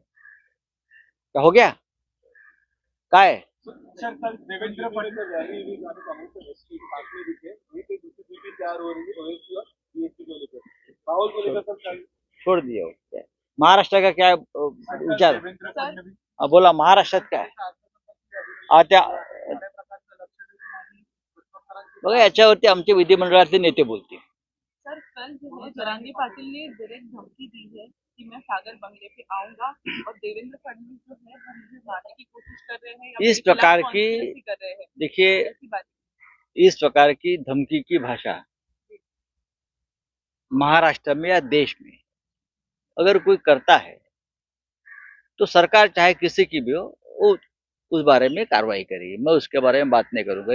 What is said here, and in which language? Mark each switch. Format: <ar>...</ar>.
<hi>क्या हो गया, का है? देवेंद्र फडणवीस छोड़ दिया, महाराष्ट्र का क्या विचार?</hi> <mr>बोला महाराष्ट्रात काय आता बघा, याच्यावरती आमचे विधिमंडळातले नेते बोलतील।</mr> <hi>सर, कल जरांगे पाटील ने डायरेक्ट धमकी दी है कि मैं सागर बंगले पे आऊंगा और देवेंद्र फडणवीस जो है वो मुझे मारने की कोशिश कर रहे हैं। इस प्रकार की देखिए, इस प्रकार की धमकी की भाषा महाराष्ट्र में या देश में अगर कोई करता है तो सरकार चाहे किसी की भी हो, वो उस बारे में कार्रवाई करेगी, मैं उसके बारे में बात नहीं करूंगा।</hi>